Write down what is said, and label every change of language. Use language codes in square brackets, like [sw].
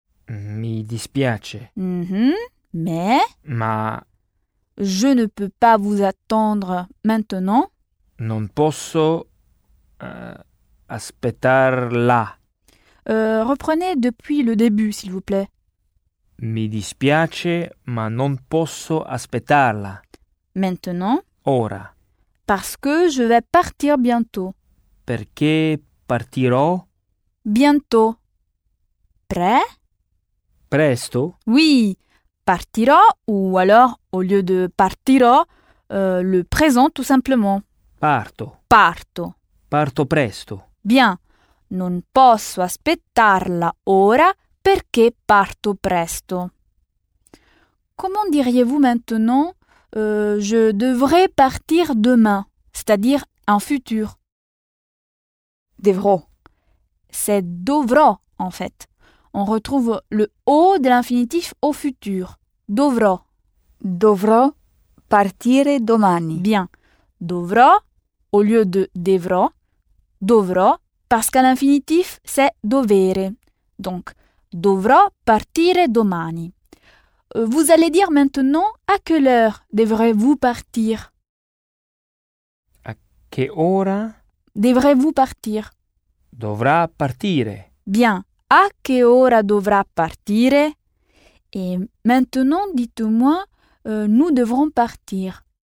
[it] Mi dispiace. [fr] Mais? [it] Ma? [fr] Je ne peux pas vous attendre maintenant. [it] Non posso aspettar là. [fr] Reprenez depuis le début, s'il vous plaît. [it] Mi dispiace, ma non posso aspettarla. [fr] Maintenant. [it] Ora. [fr] Parce que je vais partir bientôt. [it] Perché partirò? [fr] Bientôt. Prêt? [it] Presto? [fr] Oui. Partirò, ou alors, au lieu de partirò, le présent tout simplement. [it] Parto. Parto. Parto presto. [fr] Bien. [it] Non posso aspettarla ora. Perché parto presto? [fr] Comment diriez-vous maintenant « je devrais partir demain », c'est-à-dire en futur? [it] Devrò. [fr] C'est dovrò, en fait. On retrouve le O de l'infinitif au futur. [it] Dovrò. Dovrò partire domani. [fr] Bien. Dovrò, au lieu de devrò, dovrò, parce qu'à l'infinitif, c'est dovere. Donc, [it] dovrò partire domani. [fr] Vous allez dire maintenant à quelle heure devrez-vous partir? À quelle heure devrez-vous partir? [it] Dovrà partire. [fr] Bien. À quelle heure [it] dovrà partire? [fr] Et maintenant, dites-moi, nous devrons partir.